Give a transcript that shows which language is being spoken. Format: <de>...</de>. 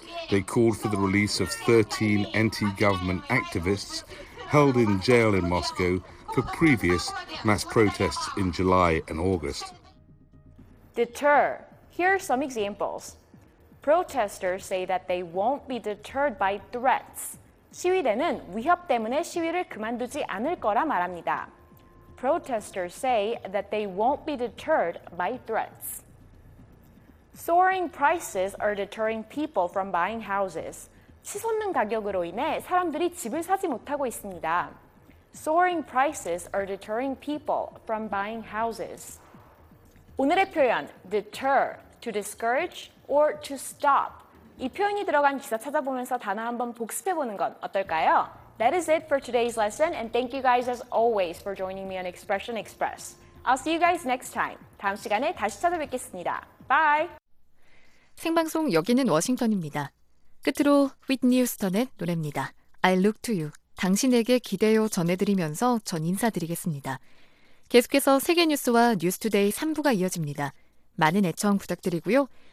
<en>They called for the release of 13 anti-government activists held in jail in Moscow for previous mass protests in July and August. Deter. Here are some examples. Protesters say that they won't be deterred by threats.</en> <ko>시위대는 위협 때문에 시위를 그만두지 않을 거라 말합니다.</ko> <en>Protesters say that they won't be deterred by threats. Soaring prices are deterring people from buying houses.</en> <ko>치솟는 가격으로 인해 사람들이 집을 사지 못하고 있습니다.</ko> <en>Soaring prices are deterring people from buying houses.</en> <ko>오늘의 표현,</ko> <en>deter, to discourage or to stop.</en> <ko>이 표현이 들어간 기사 찾아보면서 단어 한번 복습해보는 건 어떨까요?</ko> <en>That is it for today's lesson and thank you guys as always for joining me on Expression Express. I'll see you guys next time.</en> <ko>다음 시간에 다시 찾아뵙겠습니다.</ko> <en>Bye!</en> <ko>생방송 여기는 워싱턴입니다. 끝으로 Whitney Houston의 노래입니다. I look to you. 당신에게 기대요 전해드리면서 전 인사드리겠습니다. 계속해서 세계뉴스와 뉴스투데이 3부가 이어집니다. 많은 애청 부탁드리고요.</ko>